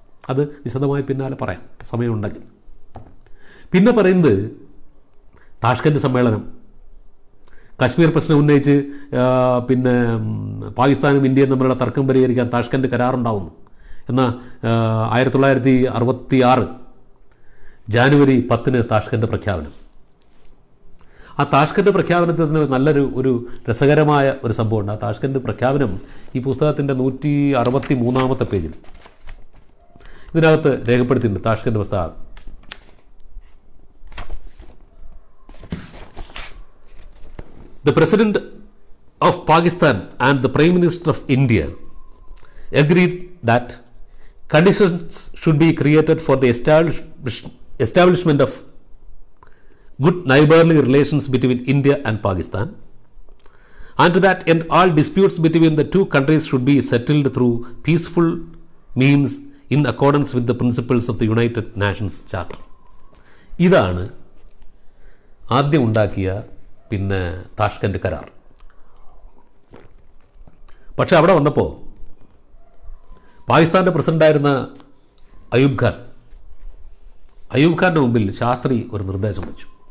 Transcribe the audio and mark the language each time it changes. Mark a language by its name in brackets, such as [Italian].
[Malayalam] അത് വിശദമായി പിന്നാലെ പറയാം സമയമുണ്ടെങ്കിൽ. പിന്നെ പറയുന്നത് താഷ്കൻ്റ് സമ്മേളനം, കശ്മീർ പ്രശ്നം ഉന്നയിച്ച് പിന്നെ പാകിസ്ഥാനും ഇന്ത്യയും തമ്മിലുള്ള തർക്കം പരിഹരിക്കാൻ താഷ്കൻ്റ് കരാറുണ്ടാവുന്നു എന്ന 1966 ജാനുവരി 10 താഷ്കൻ്റെ പ്രഖ്യാപനം. ആ താഷ്കൻ്റെ പ്രഖ്യാപനത്തിൽ തന്നെ നല്ലൊരു ഒരു രസകരമായ ഒരു സംഭവമുണ്ട്. ആ താഷ്കൻ്റെ പ്രഖ്യാപനം ഈ പുസ്തകത്തിൻ്റെ 163 പേജിൽ ഇതിനകത്ത് രേഖപ്പെടുത്തിയിട്ടുണ്ട്. താഷ്കൻ്റെ പുസ്തകം [English] The President of Pakistan and the Prime Minister of India agreed that conditions should be created for the establishment of good neighborly relations between India and Pakistan, and to that end all disputes between the two countries should be settled through peaceful means in accordance with the principles of the United Nations Charter. [Malayalam] ഇതാണ് ആദ്യം ഉണ്ടാക്കിയ പിന്നെ താഷ്കൻ്റ് കരാർ. പക്ഷെ അവിടെ വന്നപ്പോൾ പാകിസ്ഥാൻ്റെ പ്രസിഡൻ്റായിരുന്ന അയൂബ് ഖാൻ്റെ മുമ്പിൽ ശാസ്ത്രി ഒരു നിർദ്ദേശം വെച്ചു.